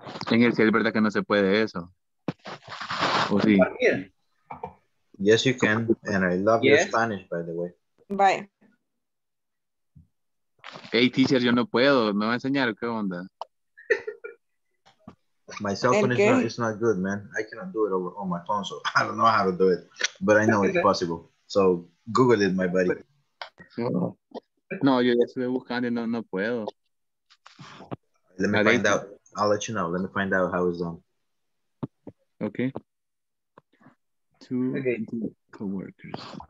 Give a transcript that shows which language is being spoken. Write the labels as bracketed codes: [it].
[es] En el cielo, ¿verdad que no se puede eso? ¿O sí? [en] Yes, you can. And I love yes. Your Spanish, by the way. Bye. [es] Hey, teacher, yo no puedo. ¿Me va a enseñar qué onda? [en] My cell phone is not, it's not good, man. I cannot do it over on my phone, so I don't know how to do it. But I know it's possible. So Google it, my buddy. [es] No, yo ya estoy buscando y no puedo. [en] Let me find out. I'll let you know. Let me find out how it's done. Okay. Two coworkers.